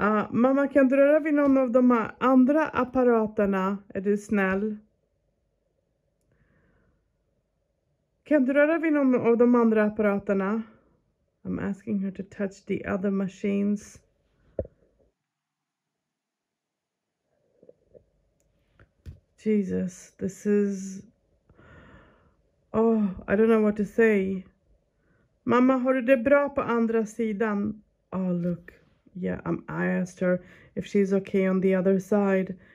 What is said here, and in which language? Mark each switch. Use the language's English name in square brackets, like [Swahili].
[Swedish] Mamma, kan du röra vid någon av de här andra apparaterna? Är du snäll? Kan du röra vid någon av de andra apparaterna? [English] I'm asking her to touch the other machines. Jesus, this is... Oh, I don't know what to say. [Swedish] Mamma, har du det bra på andra sidan? [English] Oh, look. Yeah, I asked her if she's okay on the other side.